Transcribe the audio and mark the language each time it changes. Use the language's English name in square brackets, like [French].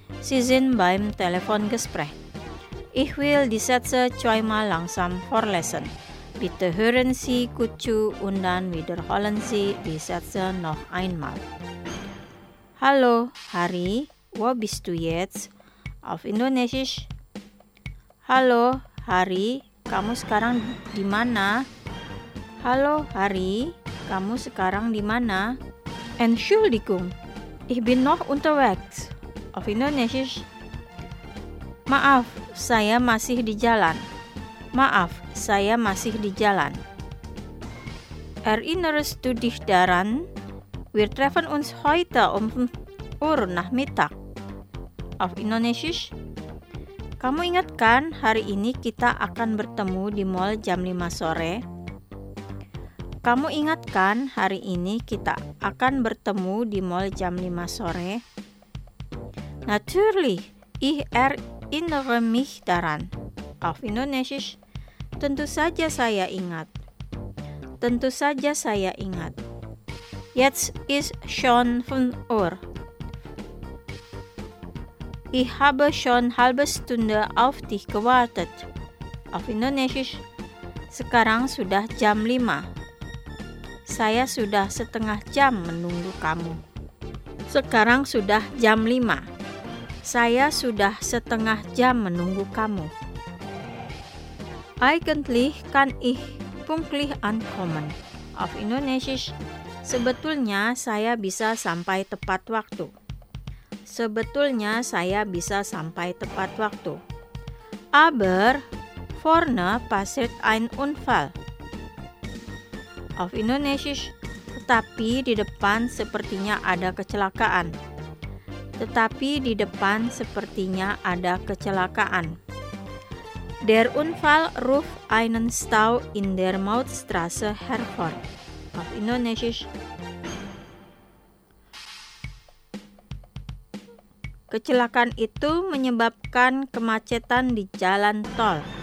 [German] Sie sind beim Telefongespräch. Ich will die Sätze zweimal langsam vorlesen. Bitte hören Sie gut zu und dann wiederholen Sie die Sätze noch einmal. Hallo, Hari, wo bist du jetzt? Auf Indonesisch. [Indonesian] Hallo, Hari, kamu sekarang di mana? Hallo, Hari, kamu sekarang di mana? [German] Entschuldigung, ich bin noch unterwegs. Auf Indonesisch. [Indonesian] Maaf, saya masih di jalan. Maaf, saya masih di jalan. [German] Er innerst du dich daran? Wir treffen uns heute um 5 Uhr Nachmittag. Auf Indonesisch? [Indonesian] Kamu ingat kan hari ini kita akan bertemu di mall jam 5 sore? Kamu ingat kan hari ini kita akan bertemu di mall jam 5 sore? [German] Natürlich, ich erinnere mich daran. Auf Indonesisch? [Indonesian] Tentu saja saya ingat. Tentu saja saya ingat. [German] Jetzt ist schon 5 Uhr. Ich habe schon halbe Stunde auf dich gewartet. [Indonesian] Auf Indonesisch. Sekarang sudah jam 5. Saya sudah setengah jam menunggu kamu. Sekarang sudah jam 5. Saya sudah setengah jam menunggu kamu. [German] Eigentlich kann ich pünktlich ankommen. Auf Indonesisch. [Indonesian] Sebetulnya saya bisa sampai tepat waktu. Sebetulnya saya bisa sampai tepat waktu. [German] Aber vorne passiert ein Unfall. Auf Indonesisch. [Indonesian] Tetapi di depan sepertinya ada kecelakaan. Tetapi di depan sepertinya ada kecelakaan. [German] Der Unfall ruft einen Stau in der Mautstraße hervor. Auf Indonesisch. [Indonesian] Kecelakaan itu menyebabkan kemacetan di jalan tol.